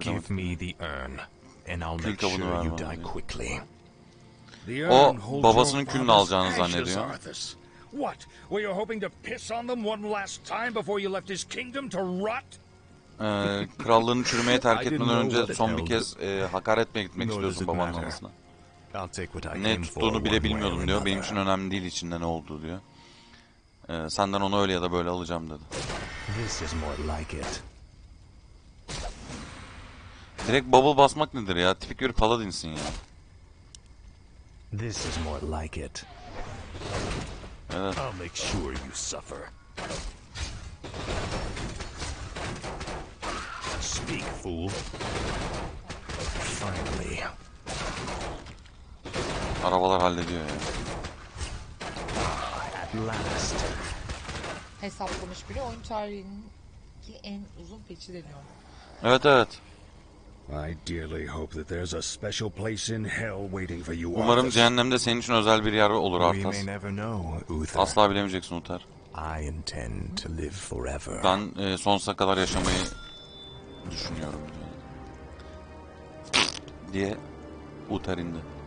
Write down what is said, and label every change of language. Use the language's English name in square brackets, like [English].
[English] give me the urn and I'll make sure you die [Turkish] diyor. [English] Quickly. [Turkish] O babasının külünü alacağını zannediyor. [English] What? Were you hoping to piss on them one last time before you left his kingdom to rot? [Turkish] Krallığını çürümeye terk etmeden önce son bir kez hakaret etmeye gitmek istiyorsun babanın anasına. Ne tuttuğunu bile bilmiyordum diyor. Benim için önemli değil içinde ne olduğu diyor. Senden onu öyle ya da böyle alacağım dedi. [English] This is more like it. [Turkish] Direkt bubble basmak nedir ya? Tipik bir paladinsin ya. [English] This is more like it. [Turkish] Evet. [English] I'll make sure you suffer. Speak, fool. Finally. [Turkish] Arabalar hallediyor ya. [English] At last. [Turkish] Hesaplamış bile oyun tarihindeki en uzun peçi deniyor. Evet evet. [English] I dearly hope that there's a special place in hell waiting for you. [Turkish] Umarım cehennemde senin için özel bir yer olur Arthas. Asla bilemeyeceksin Uther. [English] I intend to live forever. [Turkish] Ben sonsuza kadar yaşamayı düşünüyorum diye Uther indi.